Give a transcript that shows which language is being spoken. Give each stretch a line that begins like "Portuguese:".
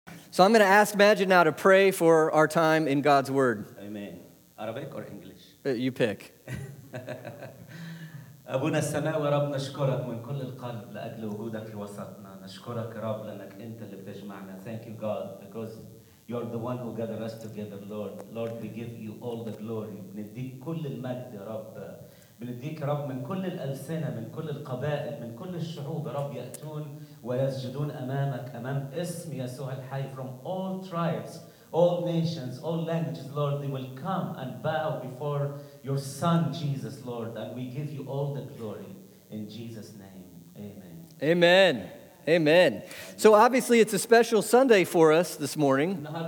English: So I'm going to ask Majid now to pray for our time in God's Word. Amen. Arabic or English? You pick.
Arabic: أبونا السماوي رب نشكرك من كل القلب لأجل وجودك في وسطنا نشكرك رب لأنك أنت اللي بتجمعنا.
English: Thank you God because you're the one who gathered us together. Lord we give you all the glory.
Arabic: بنديك كل المجد يا رب. بنديك رب من كل الألسنة من كل القبائل من كل الشعوب رب يأتون ويسجدون أمامك أمام اسم يسوع الحي.
English: From all tribes, all nations, all languages, Lord, they will come and bow before your Son, Jesus, Lord, and we give you all the glory in Jesus' name. Amen. Amen. Amen. So obviously it's a special Sunday for us this morning.